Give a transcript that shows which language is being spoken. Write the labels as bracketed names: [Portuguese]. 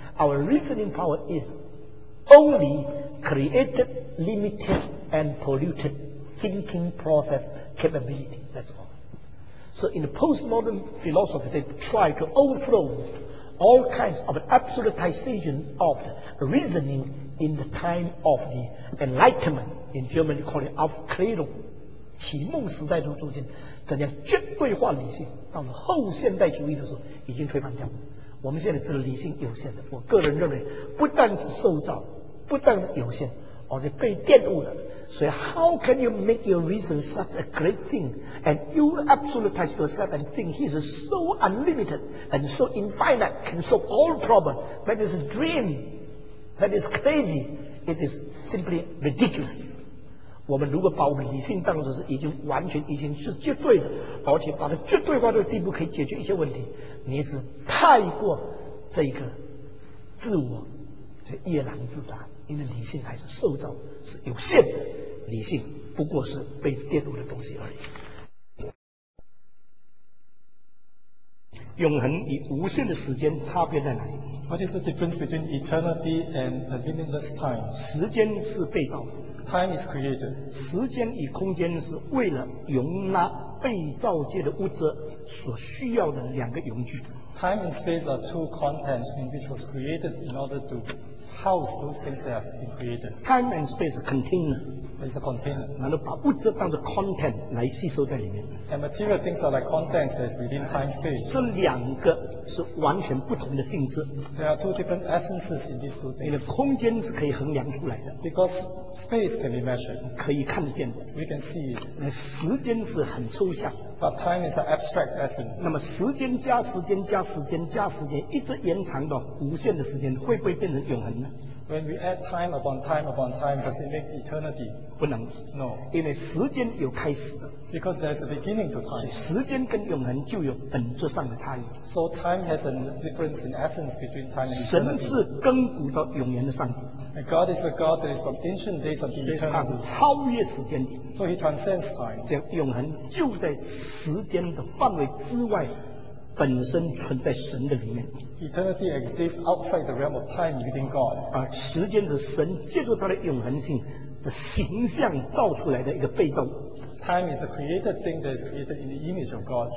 [English] Our reasoning power is only created, limited, and polluted thinking process capability. That's all. So in the postmodern philosophy, they try to overthrow all kinds of absolutization of the reasoning in the time of the Enlightenment. In German, they call it Aufklärung. [Chinese] 启蒙时代中出现，怎样绝对化理性，到了后现代主义的时候已经推翻掉了。我们现在知道理性有限的，我个人认为不但是受造，不但是有限，而且被玷污了。所以 [English] how can you make your reason such a great thing and you absolutize yourself and think he is so unlimited and so infinite can solve all problems? That is a dream. That is crazy. It is simply ridiculous. [Chinese] 我们如果把我们理性当作是已经完全已经是绝对的，而且把它绝对化到地步可以解决一些问题，你是太过这个自我，这夜郎自大，因为理性还是受造是有限的，理性不过是被玷污的东西而已。永恒与无限的时间差别在哪里？ [English] What is the difference between eternity and a limitless time? [Chinese] 时间是被造的， [English] Time is created. [Chinese] 时间与空间是为了容纳被造界的物质所需要的两个容具。 [English] Time and space are two contents in which was created in order to house those things that have been created. Time and space container. It's a container. [Chinese] 然后把物质当作 content 来吸收在里面。 [English] And material things are like contents that's within time space. [Chinese] 这两个是完全不同的性质。 [English] There are two different essences in these two things. [Chinese] 你的空间是可以衡量出来的。 [English] Because space can be measured. [Chinese] 可以看得见的。 [English] We can see it. [Chinese] 那时间是很抽象。 [English] But time is an abstract essence. [Chinese] 那么时间加时间加时间加时间，一直延长到无限的时间，会不会变成永恒呢？ [English] When we add time upon time upon time, does it make eternity? [Chinese] 不能。 [English] No. [Chinese] 因为时间有开始的。 [English] Because there's a beginning to time. [Chinese] 时间跟永恒就有本质上的差异。 [English] So time has a difference in essence between time and eternity. [Chinese] 神是亘古到永远的上帝。 [English] And God is a God that is from ancient days until eternity. [Chinese] 他是超越时间的。 [English] So he transcends time. [Chinese] 这样永恒就在时间的范围之外，本身存在神的里面。 [English] Eternity exists outside the realm of time within God. [Chinese] 而时间是神借助他的永恒性的形象造出来的一个被造物。 [English] Time is a created thing that is created in the image of God.